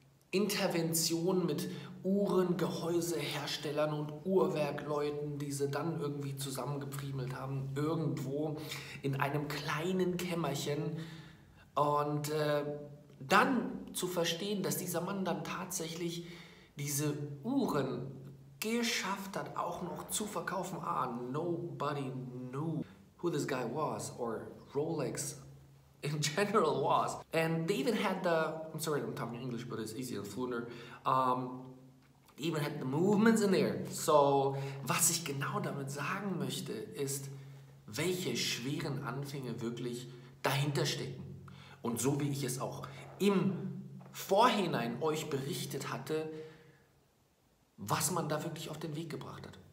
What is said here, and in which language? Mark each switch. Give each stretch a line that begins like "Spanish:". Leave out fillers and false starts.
German: Intervention mit Uhren, Gehäuseherstellern und Uhrwerkleuten, die sie dann irgendwie zusammengepriemelt haben, irgendwo in einem kleinen Kämmerchen. Und dann zu verstehen, dass dieser Mann dann tatsächlich diese Uhren geschafft hat, auch noch zu verkaufen.
English: Ah, nobody knew who this guy was or Rolex in general was. And they even had the, I'm sorry I'm talking English, but it's easier, fluenter. Even had the movements in there.
German: So, was ich genau damit sagen möchte, ist, welche schweren Anfänge wirklich dahinter stecken. Und so wie ich es auch im Vorhinein euch berichtet hatte, was man da wirklich auf den Weg gebracht hat.